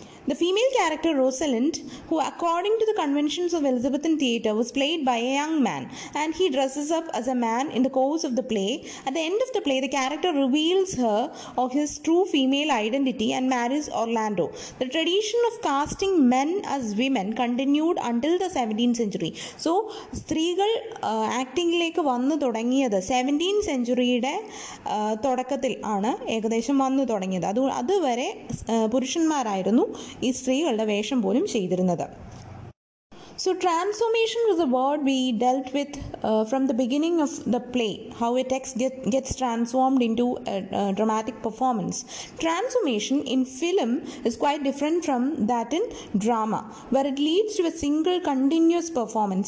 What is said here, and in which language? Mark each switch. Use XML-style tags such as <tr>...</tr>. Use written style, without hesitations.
<en>The female character Rosalind, who according to the conventions of Elizabethan theatre was played by a young man, and he dresses up as a man in the course of the play. At the end of the play, the character reveals her or his true female identity and marries Orlando. The tradition of casting men as women continued until the 17th century.</en> <ml>So, സ്ത്രീകൾ ആക്ടിങ്ങിലേക്ക് വന്നു തുടങ്ങിയത് 17th സെഞ്ചുറിയുടെ തുടക്കത്തിൽ ആണ് ഏകദേശം വന്നു തുടങ്ങിയത്. അതുവരെ പുരുഷന്മാരായിരുന്നു ഈ സ്ത്രീകളുടെ വേഷം പോലും ചെയ്തിരുന്നത്.</ml> <en>So transformation was a word we dealt with from the beginning of the play, how a text gets transformed into a dramatic performance. Transformation in film is quite different from that in drama, where it leads to a single continuous performance.</en>